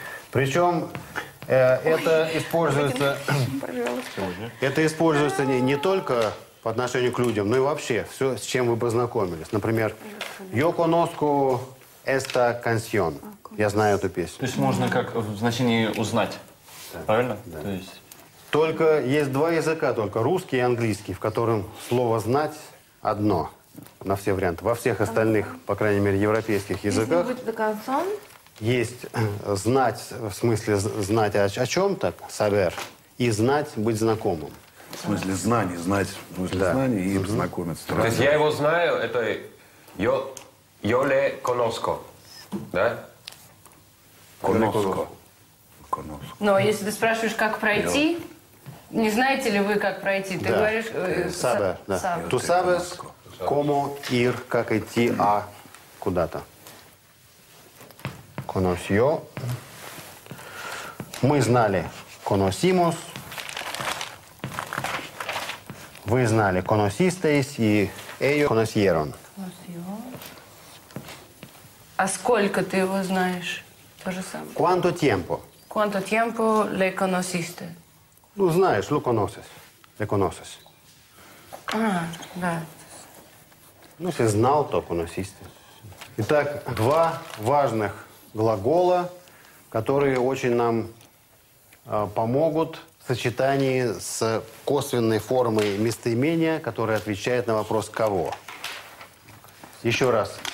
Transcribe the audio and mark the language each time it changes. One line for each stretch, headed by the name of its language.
Russian: Причем это используется... Это используется не только по отношению к людям, но и вообще все, с чем вы познакомились.
Spanish: Например, yo conozco... Esta canción.
Russian: Я знаю эту песню. То есть можно как в значении узнать. Да. Правильно? Да. То есть... Только есть два языка, только русский и английский, в котором слово «знать» одно на все варианты. Во всех остальных, по крайней мере, европейских языках есть «знать», в смысле «знать о чем-то», «saber», и «знать», «быть знакомым». В смысле «знание», «знать», в смысле да. «знание» и «знакомиться». То есть я его знаю, это «yo».
Spanish: Yo le conozco,
Russian: да?
Spanish: Conozco.
Russian: Но если ты спрашиваешь, как пройти, не знаете ли вы, как пройти, ты говоришь...
Spanish: Sabe,
Russian: да.
Spanish: Tú sabes cómo ir,
Russian: как идти, а куда-то.
Spanish: Conoció.
Russian: Мы знали.
Spanish: Conocimos.
Russian: Вы знали.
Spanish: Conocisteis.
Russian: И
Spanish: ellos conocieron.
Russian: А сколько ты его знаешь? То же самое.
Spanish: Cuánto tiempo? Cuánto tiempo le conociste?
Russian: Ну, знаешь,
Spanish: lo conoces. Le conoces.
Russian: А, да. Ну, если знал, то conociste. Итак, два важных глагола, которые очень нам помогут в сочетании с косвенной формой местоимения, которая отвечает на вопрос «кого?». Еще раз.